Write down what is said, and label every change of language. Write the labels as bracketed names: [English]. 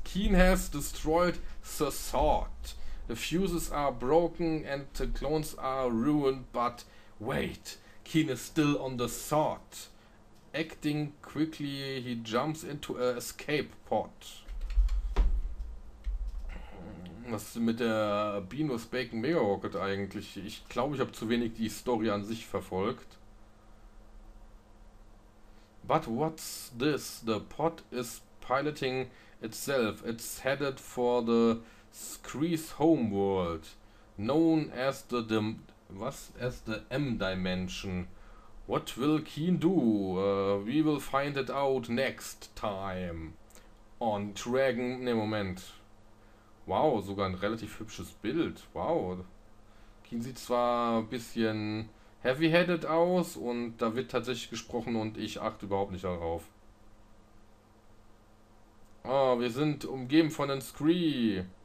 [English] Keen has destroyed the sword. The fuses are broken and the clones are ruined, but... Wait, Keen is still on the sword. Acting quickly, he jumps into a escape pod. [German] Was ist mit der Beanus Bacon Mega Rocket eigentlich? Ich glaube, ich habe zu wenig die Story an sich verfolgt. [English] But what's this? The pod is piloting itself. It's headed for the Skrees homeworld, known as the M-Dimension. What will Keen do? We will find it out next time. On Dragon... [German] Ne, Moment. Wow, sogar ein relativ hübsches Bild. Wow. Keen sieht zwar ein bisschen heavy-headed aus und da wird tatsächlich gesprochen und ich achte überhaupt nicht darauf. Oh, wir sind umgeben von den Scree.